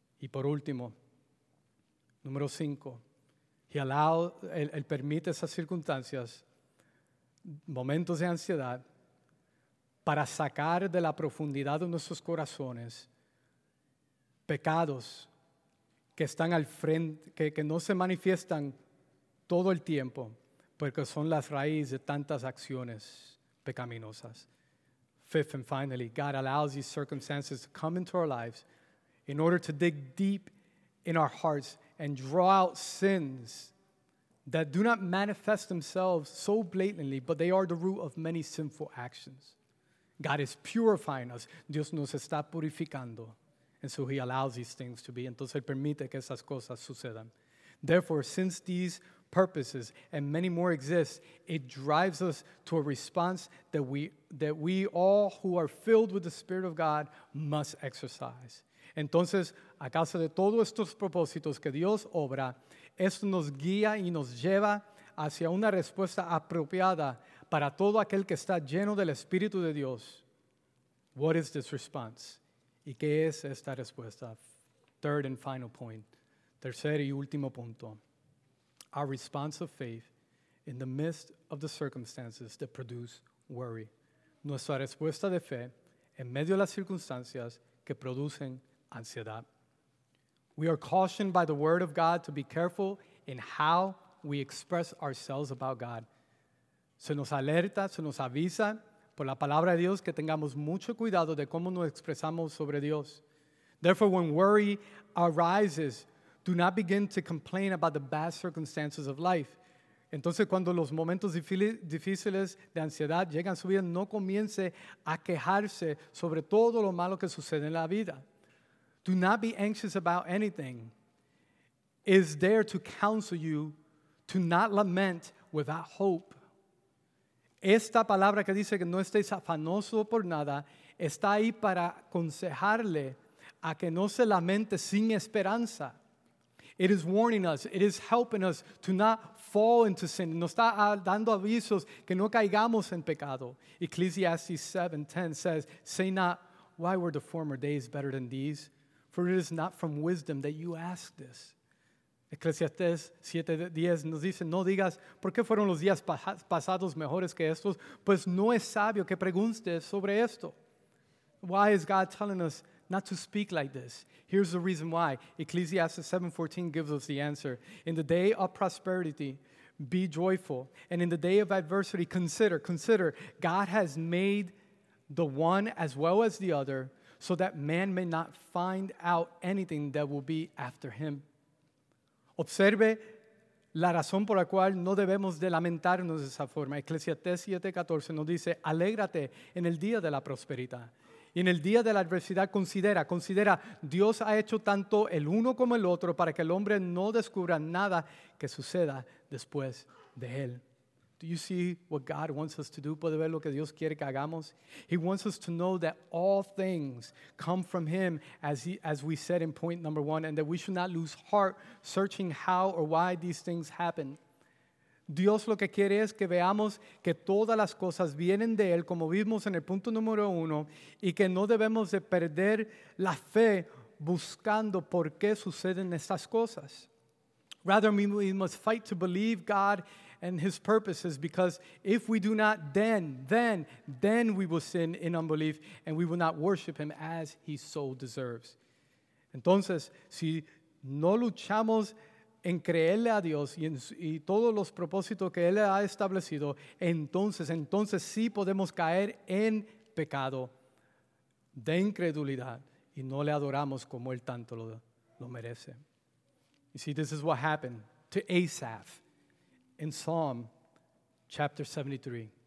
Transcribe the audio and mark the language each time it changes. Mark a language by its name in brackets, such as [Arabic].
[Spanish] Y por último, número cinco, él permite esas circunstancias, momentos de ansiedad, para sacar de la profundidad de nuestros corazones pecados que están al frente, que no se manifiestan todo el tiempo, porque son las raíces de tantas acciones pecaminosas. [English] Fifth and finally, God allows these circumstances to come into our lives in order to dig deep in our hearts and draw out sins that do not manifest themselves so blatantly, but they are the root of many sinful actions. God is purifying us. [Spanish] Dios nos está purificando. [English] And so he allows these things to be. [Spanish] Entonces, él permite que esas cosas sucedan. [English] Therefore, since these purposes and many more exist, it drives us to a response that we all who are filled with the Spirit of God must exercise. [Spanish] Entonces, a causa de todos estos propósitos que Dios obra, esto nos guía y nos lleva hacia una respuesta apropiada para todo aquel que está lleno del Espíritu de Dios. [English] What is this response? [Spanish] ¿Y qué es esta respuesta? [English] Third and final point. [Spanish] Tercer y último punto. [English] Our response of faith in the midst of the circumstances that produce worry. [Spanish] Nuestra respuesta de fe en medio de las circunstancias que producen ansiedad. [English] We are cautioned by the Word of God to be careful in how we express ourselves about God. [Spanish] Se nos alerta, se nos avisa por la palabra de Dios que tengamos mucho cuidado de cómo nos expresamos sobre Dios. [English] Therefore, when worry arises, do not begin to complain about the bad circumstances of life. [Spanish] Entonces, cuando los momentos difíciles de ansiedad llegan a su vida, no comience a quejarse sobre todo lo malo que sucede en la vida. [English] Do not be anxious about anything. It is there to counsel you to not lament without hope. [Spanish] Esta palabra que dice que no estéis afanoso por nada está ahí para aconsejarle a que no se lamente sin esperanza. [English] It is warning us, it is helping us to not fall into sin. [Spanish] Nos está dando avisos que no caigamos en pecado. [English] Ecclesiastes 7:10 says, "Say not, why were the former days better than these? For it is not from wisdom that you ask this." [Spanish] Ecclesiastes 7:10 nos dice, no digas, ¿por qué fueron los días pasados mejores que estos? Pues no es sabio que preguntes sobre esto. [English] Why is God telling us not to speak like this? Here's the reason why. Ecclesiastes 7:14 gives us the answer. In the day of prosperity, be joyful. And in the day of adversity, consider, God has made the one as well as the other, so that man may not find out anything that will be after him. [Spanish] Observe la razón por la cual no debemos de lamentarnos de esa forma. Ecclesiastes 7:14 nos dice, alégrate en el día de la prosperidad. Y en el día de la adversidad, considera, Dios ha hecho tanto el uno como el otro para que el hombre no descubra nada que suceda después de él. [English] Do you see what God wants us to do? [Spanish] ¿Puede ver lo que Dios quiere que hagamos? [English] He wants us to know that all things come from Him, as we said in point number one, and that we should not lose heart searching how or why these things happen. [Spanish] Dios lo que quiere es que veamos que todas las cosas vienen de Él, como vimos en el punto número uno, y que no debemos de perder la fe buscando por qué suceden estas cosas. [English] Rather, we must fight to believe God and his purposes, because if we do not, then we will sin in unbelief and we will not worship him as he so deserves. [Spanish] Entonces, si no luchamos en creerle a Dios y, y todos los propósitos que Él ha establecido, entonces sí podemos caer en pecado de incredulidad y no le adoramos como Él tanto lo merece. [English] You see, this is what happened to Asaph in Psalm chapter 73.